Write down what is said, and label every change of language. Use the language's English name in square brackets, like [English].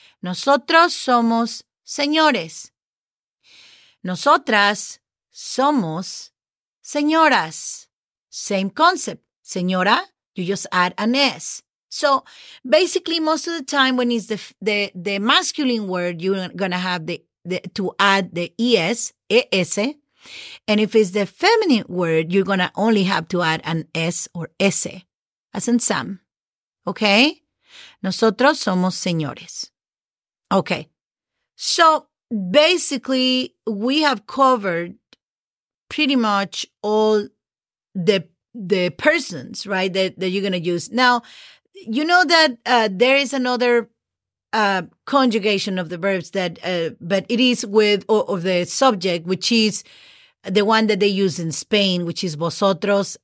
[Spanish] Nosotros somos señores. Nosotras somos señoras. [English] Same concept. Señora, you just add an S. So basically, most of the time when it's the masculine word, you're going to have to add the ES, ES. And if it's the feminine word, you're going to only have to add an S or S, as in Sam. Okay? [Spanish] Nosotros somos señores. [English] Okay. So basically, we have covered pretty much all the persons, right, that you're going to use. Now, you know that there is another conjugation of the verbs that, but it is with of the subject, which is the one that they use in Spain, which is vosotros.